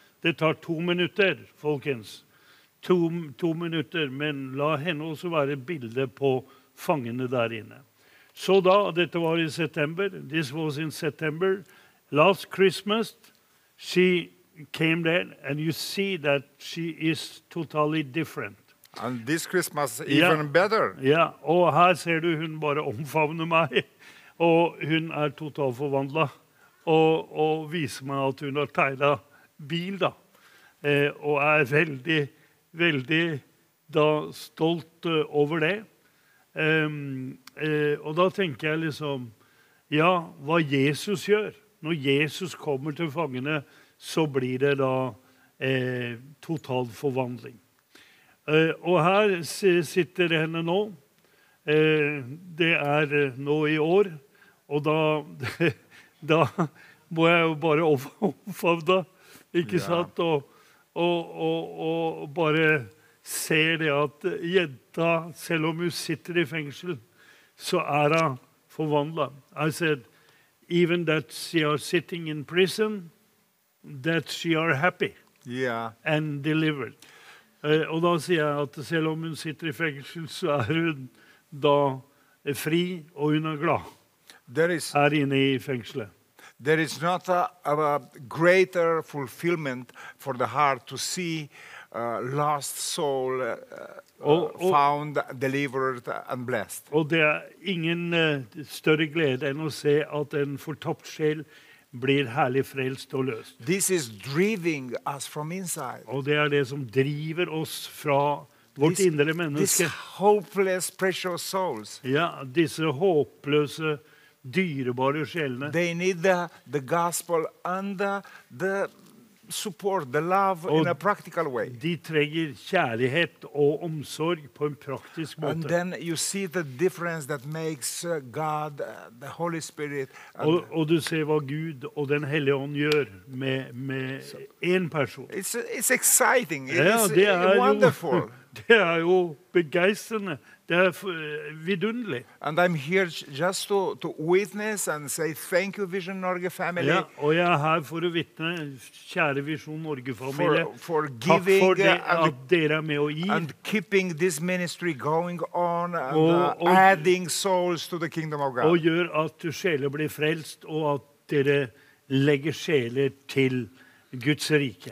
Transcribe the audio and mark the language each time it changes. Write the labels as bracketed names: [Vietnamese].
[Norwegian] Det tar 2 minutter, folkens. 2 minutter, men la henne også være bilde på fangene der inne. Så da, dette var I september. [English] This was in September. Last Christmas, she came there, and you see that she is totally different. And this Christmas even better. [Swedish] Ja, och här ser du hon bara omfamnar mig och hon är totalt förvandlad och visar mig att hon har tegnat bil då. Och är väldigt väldigt då stolt över det. Och då tänker jag liksom ja, vad Jesus gör. När Jesus kommer till fångarna så blir det då total förvandling. Och här sitter henne nu. Det är nu i år och då måste jag bara omfavna, inte sant? Och bara se det att jenta, även om hon sitter i fängelse, så är hon förvandlad. [English] I said, even that she are sitting in prison, that she are happy and delivered. [Swedish] Och då säger jag att även om hon sitter i fängelse så är hon då fri och hon är glad. [English] There is, [Swedish] här inne i fängelse. [English] There is not a greater fulfillment for the heart to see lost soul found, delivered and blessed. [Swedish] Och det är ingen större glädje än att se att en förtappt själ blir härligt frälst och löst. [English] This is driving us from inside. [Swedish] Och det är det som driver oss från vårt inre människa. [English] These hopeless, precious souls. [Swedish] Ja, dessa hopplösa, dyrbara själarna. [English] They need the gospel and the support, the love in a practical way. [Norwegian] De trenger kärlighet och omsorg på en praktisk måte. [English] And then you see the difference that makes God, the Holy Spirit. [Swedish] Och du ser vad Gud och den helige ånd gör med en person. [English] It's exciting. It's wonderful. [Swedish] Det är ju begeistrande. Det är vidunderligt. [English] And I'm here just to witness and say thank you, Vision Norge family. [Swedish] Ja, och jag är här för att vittna, kära Vision Norge familj. [English] For giving [Swedish] för att dela med och ge. [English] And keeping this ministry going on and och adding souls to the kingdom of God. [Swedish] Och gör att själar blir frälst och att dere lägger själar till Guds rike.